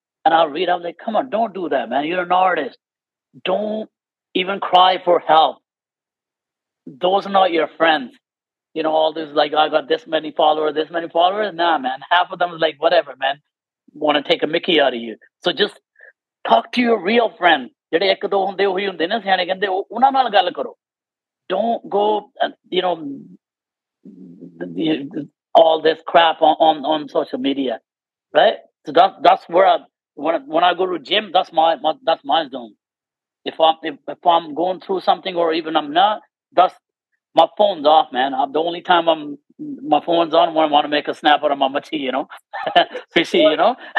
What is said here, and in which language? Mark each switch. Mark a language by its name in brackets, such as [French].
[English] And I'll read, I'm like, come on, don't do that, man. You're an artist. Don't even cry for help. Those are not your friends. You know, all this, like, I got this many followers. Nah, man, half of them is like, whatever, man. Want to take a mickey out of you. So just talk to your real friends. [Punjabi] ਜਿਹੜੇ ਇੱਕ ਦੋ ਹੁੰਦੇ ਉਹੀ ਹੁੰਦੇ ਨੇ ਸਿਆਣੇ ਕਹਿੰਦੇ ਉਹਨਾਂ ਨਾਲ ਗੱਲ ਕਰੋ. [English] Don't go, you know, all this crap on social media, right? So that's where when I go to gym, that's my zone. If I'm going through something or even I'm not, that's my phone's off, man. My phone's on when I want to make a snap out of my tea, you know. Fishy, you know.